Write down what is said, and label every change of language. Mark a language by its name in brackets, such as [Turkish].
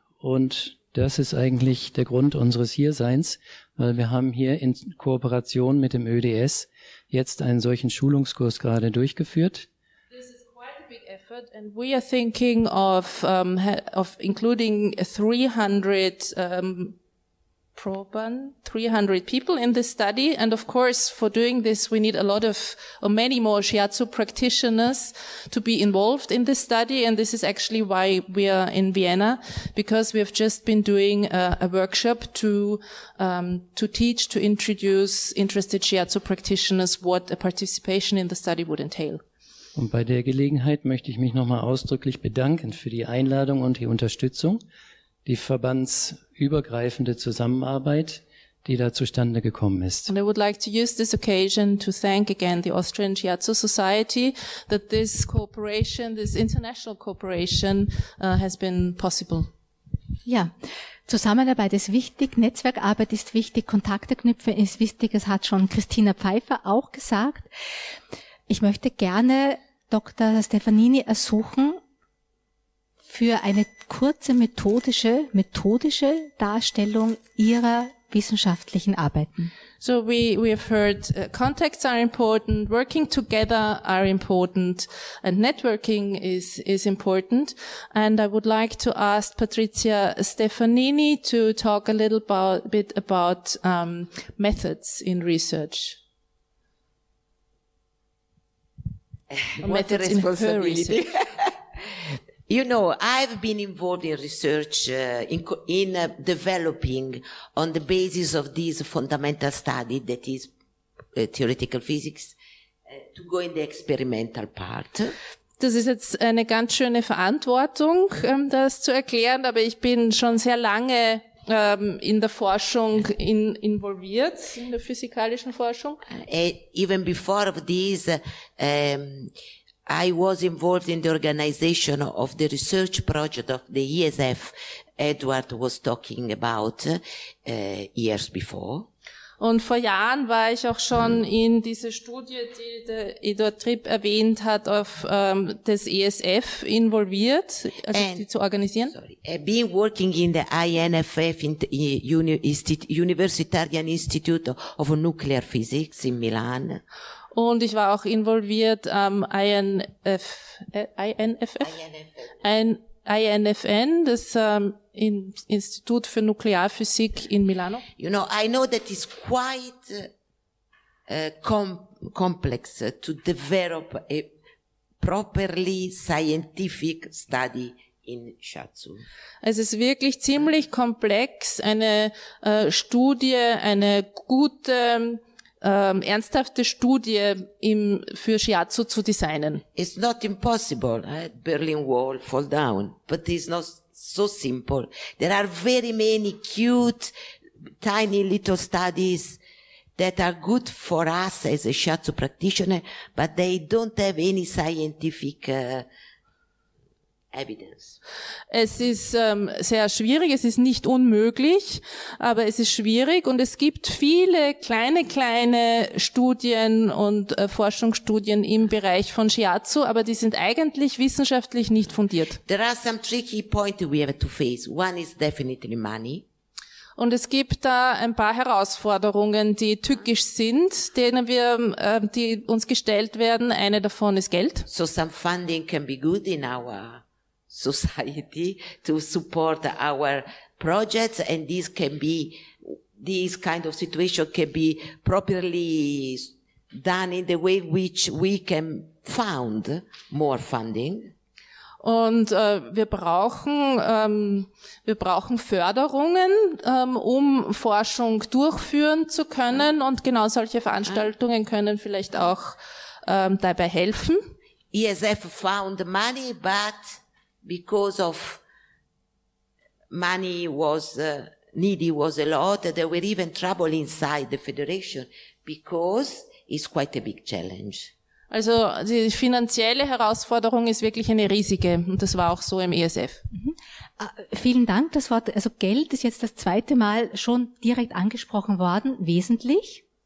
[German] Und das ist eigentlich der Grund unseres Hierseins, weil wir haben hier in Kooperation mit dem ÖDS jetzt einen solchen Schulungskurs gerade durchgeführt. [English] And we are thinking of including 300 proben, 300 people in this study. And of course, for doing this, we need a lot of, or many more shiatsu practitioners to be involved in this study. And this is actually why we are in Vienna, because we have just been doing a workshop to teach, to introduce interested shiatsu practitioners what a participation in the study would entail. [German] Und bei der Gelegenheit möchte ich mich nochmal ausdrücklich bedanken für die Einladung und die Unterstützung, die verbandsübergreifende Zusammenarbeit, die da zustande gekommen ist. [English] And I would like to use this occasion to thank again the Austrian Shiatsu Society that this cooperation, this international cooperation has been possible. [German] Ja, Zusammenarbeit ist wichtig, Netzwerkarbeit ist wichtig, Kontakte knüpfen ist wichtig, das hat schon Christina Pfeiffer auch gesagt. Ich möchte gerne Dr. Stefanini ersuchen, für eine kurze methodische Darstellung ihrer wissenschaftlichen Arbeiten. [English] So we have heard contacts are important, working together are important, and networking is important. And I would like to ask Patricia Stefanini to talk a little bit about methods in research. What a responsibility. You know, I've been involved in research developing on the basis of this fundamental study that is theoretical physics to go in the experimental part. [German] Das ist jetzt eine ganz schöne Verantwortung, das zu erklären, aber ich bin schon sehr lange in der Forschung involviert, in der physikalischen Forschung. [English] Even before of this, I was involved in the organization of the research project of the ESF Edward was talking about years before. [German] Und vor Jahren war ich auch schon in diese Studie, die der Eduard Tripp erwähnt hat, auf das ESF involviert, also and, die zu organisieren. [English] Sorry, being working in the INFF, in the Universitarian Institute of Nuclear Physics in Milan. [German] Und ich war auch involviert am INFN, das Institut für Nuklearphysik in Milano. [English] You know, I know that it's quite complex to develop a properly scientific study in shiatsu. [German] Es ist wirklich ziemlich komplex, eine Studie, eine gute, ernsthafte Studie für Shiatsu zu designen. [English] It's not impossible, Berlin Wall fall down, but it's not so simple. There are very many cute, tiny little studies that are good for us as a Shiatsu practitioner, but they don't have any scientific evidence. [German] Es ist sehr schwierig, es ist nicht unmöglich, aber es ist schwierig und es gibt viele kleine Studien und Forschungsstudien im Bereich von Shiatsu, aber die sind eigentlich wissenschaftlich nicht fundiert. [English] There are some tricky points we have to face. One is definitely money. [German] Und es gibt da ein paar Herausforderungen, die tückisch sind, denen wir, die uns gestellt werden. Eine davon ist Geld. [English] So some funding can be good in our society to support our projects, and this can be, this kind of situation can be properly done in the way which we can found more funding. [German] Und wir brauchen Förderungen, um Forschung durchführen zu können. Und genau solche Veranstaltungen können vielleicht auch dabei helfen. [English] ESF found money, but because of money was needy was a lot. There were even trouble inside the federation because it's quite a big challenge. [German] Also die finanzielle Herausforderung ist wirklich eine riesige und das war auch so im ESF. Mhm. Vielen Dank. Das Wort, also Geld ist jetzt das zweite Mal schon direkt angesprochen worden, wesentlich.